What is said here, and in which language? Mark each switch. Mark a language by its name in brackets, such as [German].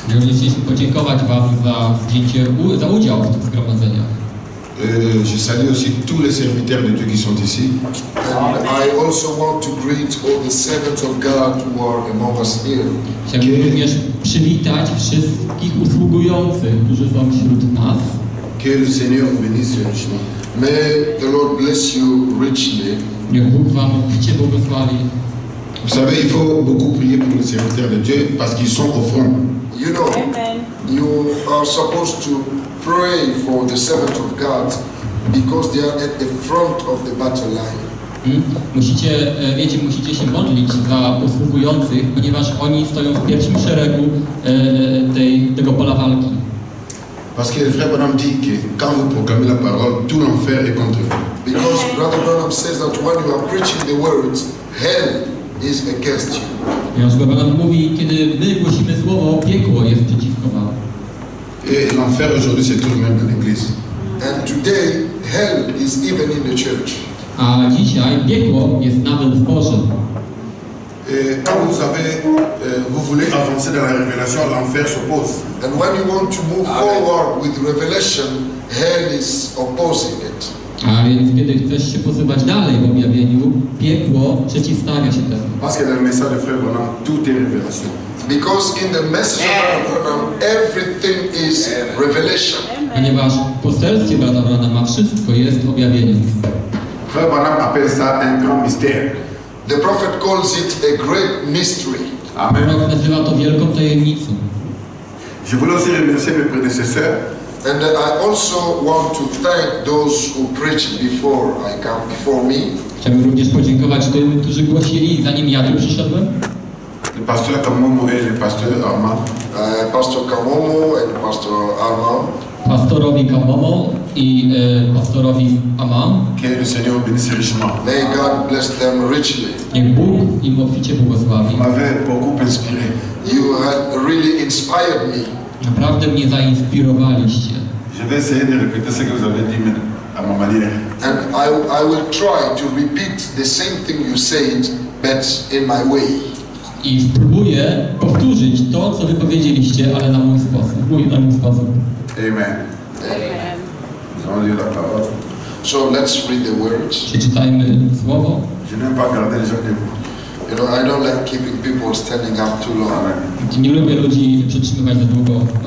[Polish] Że oni chcieli podziękować wam za wzięcie za udział w tym zgromadzeniu. [French] Je salue aussi tous les serviteurs de Dieu qui sont ici. [English] I also want to greet all the servants of God who are among us here. [Polish] Chciałbym również przywitać wszystkich usługujących, którzy są wśród nas. [French] Que le Seigneur bénisse richement. [English] May the Lord bless you richly. [Polish] Niech Bóg wam życie błogosławi. [French] Vous savez, il faut beaucoup prier pour les serviteurs de Dieu parce qu'ils sont au front. [English] You know, you are supposed to pray for the servants of God because they are at the front of the battle line. [Polish] Musicie, wiecie, musicie się modlić za posługujących, ponieważ oni stoją w pierwszym szeregu tego pola walki. [French] Parce que le frère Branham dit que quand vous proclamez la parole, tout l'enfer est contre vous. [English] Because Brother Branham says that when you are preaching the words, hell is against you. [Polish] Ponieważ Branham mówi, kiedy my głosimy słowo, piekło jest przeciwko wam. [French] Et l'enfer aujourd'hui se trouve même dans l'église. [English] And today, hell is even in the church. [Polish] A dzisiaj piekło jest nawet w Boże. [French] Quand vous avez, vous voulez avancer dans la révélation, l'enfer s'oppose. [English] And when you want to move forward with revelation, hell is opposing it. [Polish] A więc kiedy chcesz się posuwać dalej w objawieniu, piekło przeciwstawia się temu. [French] Parce que dans le message de Frère Branham, tout est révélation. [English] Because in the message of Brother Branham, everything is revelation. [Polish] Ponieważ w poselstwie Brother Branhama wszystko jest objawieniem. [French] Frère Branham appelle ça un grand mystère. [English] The prophet calls it a great mystery. Amen. [Polish] Prorok nazywa to wielką tajemnicą. [French] Je voulais aussi remercier mes prédécesseurs. [English] And I also want to thank those who preached before I come before me. [Polish] Chciałbym również podziękować tym, którzy głosili zanim ja tu przyszedłem. [French] Le pasteur Kamomo et le pasteur Armand. [English] Pastor Kamomo and Pastor Armand. [Polish] Pastorowi Kamomo i pastorowi Armand. [French] Que le Seigneur bénisse richement. [English] May God bless them richly. [Polish] Niech Bóg im obficie błogosławi. [French] M'avez beaucoup inspiré. [English] You had really inspired me. [Polish] Naprawdę mnie zainspirowaliście. [French] Je vais essayer de répéter ce que vous avez dit à ma manière. [English] And I will try to repeat the same thing you said, but in my way. [Polish] I spróbuję powtórzyć to, co wy powiedzieliście, ale na mój sposób. [English] Amen. Amen. So let's read the words. [Polish] Przeczytajmy słowo. [French] Je n'aime pas garder les [English] You know, I don't like keeping people standing up too long. [Polish] Nie lubię ludzi przetrzymywać za długo.